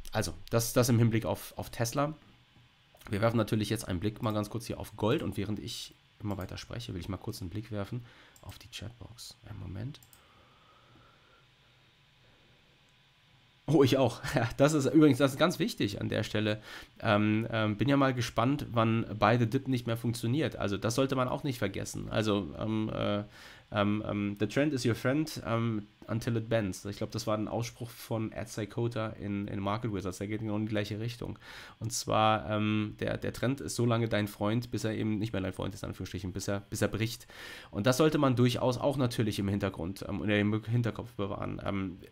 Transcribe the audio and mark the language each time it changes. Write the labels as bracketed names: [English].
[German] Also, das im Hinblick auf Tesla. Wir werfen natürlich jetzt einen Blick mal ganz kurz hier auf Gold und während ich immer weiter spreche, will ich mal kurz einen Blick werfen auf die Chatbox. Einen Moment. Oh, ich auch. Das ist übrigens, das ist ganz wichtig an der Stelle. Bin ja mal gespannt, wann beide Dip nicht mehr funktioniert. Also das sollte man auch nicht vergessen. [English] Also the trend is your friend until it bends. [German] Ich glaube, das war ein Ausspruch von Ed Cicotta in Market Wizards. Der geht genau in die gleiche Richtung. Und zwar, der Trend ist so lange dein Freund, bis er eben nicht mehr dein Freund ist, in Anführungsstrichen, bis er bricht. Und das sollte man durchaus auch natürlich im Hintergrund und im Hinterkopf bewahren.